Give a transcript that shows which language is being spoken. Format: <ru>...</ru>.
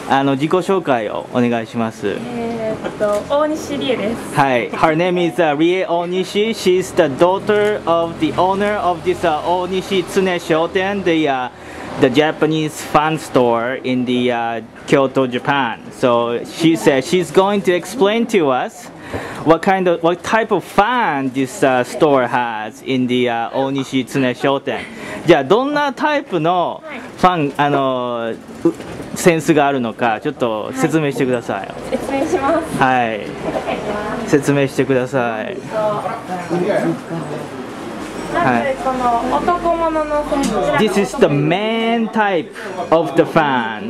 <ja>自己紹介をお願いします。大西理恵です。</ja> <en>はい、her name is Rie Onishi. She's the daughter of the owner of this Onishi Tsune Shoten, the Japanese fan store in the Kyoto, Japan. So she said she's going to explain to us what type of fan this store has in the Onishi Tsune Shoten.</en> <ja>じゃあどんなタイプのファン、あの、センスがあるのかちょっと説明してください。はい、はい、説明してください。まずこの男物のこち</ja> <en>ら、 This is the main type of the fan.</en>